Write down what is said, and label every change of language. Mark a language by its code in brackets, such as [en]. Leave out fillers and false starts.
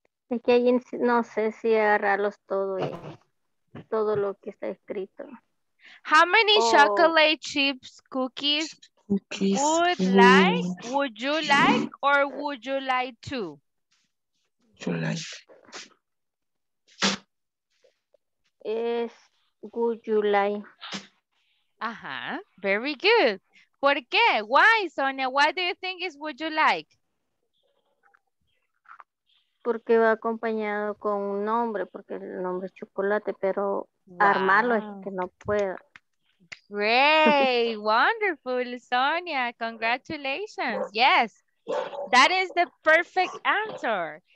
[es] Es que allí no sé si agarrarlos todo lo que está escrito. [en] How many chocolate chips, cookies would you like to? Would you like? Es would you like. [es] Ajá, [en] very good. [es] ¿Por qué? [en] Why, [es] Sonia? [en] Why do you think is would you like? [es] Porque va acompañado con un nombre, porque el nombre es chocolate, pero wow. Armarlo es que no puedo. [en] Great, wonderful, Sonia, congratulations. Yes, that is the perfect answer.